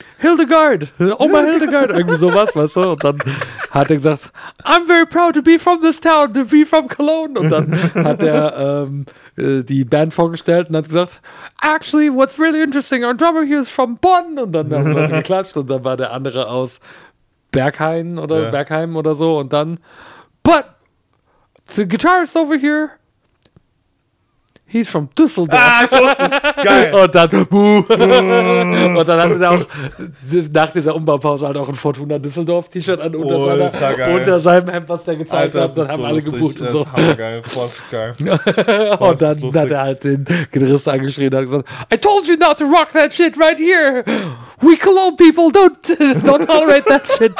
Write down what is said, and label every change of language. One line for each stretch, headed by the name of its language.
German: Hildegard, Oma Hildegard, irgendwie sowas, weißt du? Und dann hat er gesagt,
English: I'm very proud to be from this town, to be from Cologne.
German: Und dann hat er die Band vorgestellt und hat gesagt,
English: actually, what's really interesting, our drummer here is from Bonn.
German: Und dann haben wir geklatscht und dann war der andere aus Bergheim oder Bergheim oder so. Und dann,
English: but the guitarist over here, he's from Düsseldorf.
German: Ah, ich wusste es. Geil. Und dann, Und dann hat er auch nach dieser Umbaupause halt auch ein Fortuna Düsseldorf-T-Shirt an unter seinem Hemd, was der gezeigt Alter, hat. Dann haben so alle geboot und so. Das ist geil. Und dann hat er halt den Gitarristen angeschrien und hat gesagt,
English: I told you not to rock that shit right here. We Cologne people don't tolerate that shit.